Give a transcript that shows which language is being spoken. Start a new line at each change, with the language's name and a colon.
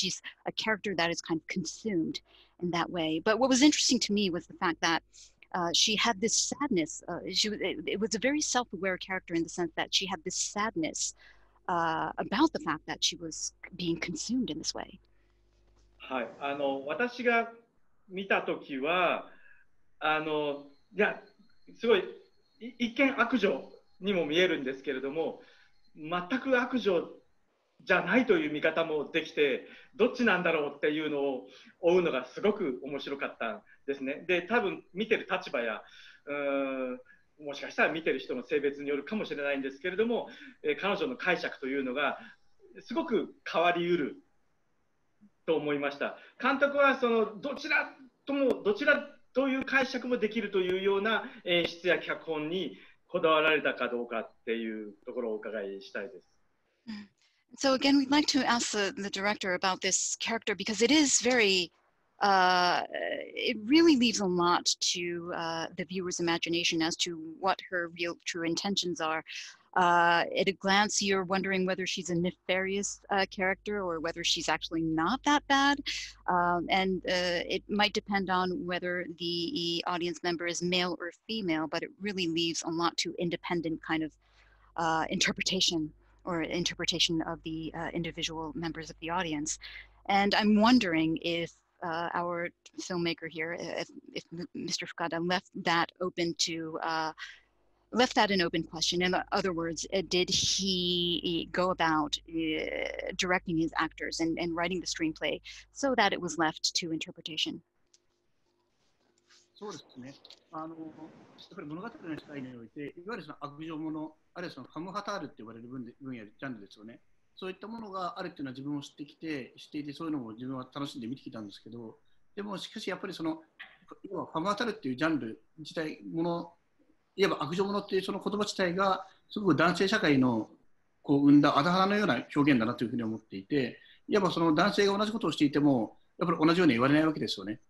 English: She's a character that is kind of consumed in that way. But what was interesting to me was the fact that she had this sadness. It was a very self-aware character in the sense that she had this sadness about the fact that she was being consumed in this way.
Japanese: はい、私が見たときは、いや、すごい、一見悪女にも見えるんですけれども、全く悪女じゃないという見方もできて、どっちなんだろうっていうのを追うのがすごく面白かったですね。で、多分見てる立場や、もしかしたら見てる人の性別によるかもしれないんですけれども、彼女の解釈というのがすごく変わりうると思いました。監督はそのどちらという解釈もできるというような演出や脚本にこだわられたかどうかっていうところをお伺いしたいです。
English: So again, we'd like to ask the director about this character because it is very it really leaves a lot to the viewer's imagination as to what her real true intentions are. At a glance, you're wondering whether she's a nefarious character or whether she's actually not that bad. It might depend on whether the audience member is male or female, but it really leaves a lot to independent kind of interpretation or interpretation of the individual members of the audience. And I'm wondering if our filmmaker here, if Mr. Fukada left that open to left that an open question. In other words, did he go about directing his actors and writing the screenplay so that it was left to interpretation?
Japanese: そうですね。やっぱり物語の世界において、いわゆるその悪女もの、あるいはそのカムハタールって呼ばれる分野、ジャンルですよね。そういったものがあるっていうのは自分も知ってきて、知っていて、そういうのも自分は楽しんで見てきたんですけど、でもしかしやっぱりその、要はカムハタールっていうジャンル自体、もの、いわば悪女ものっていうその言葉自体がすごく男性社会のこう生んだあだはらのような表現だなというふうに思っていて、いわばその男性が同じことをしていてもやっぱり同じように言われないわけですよね。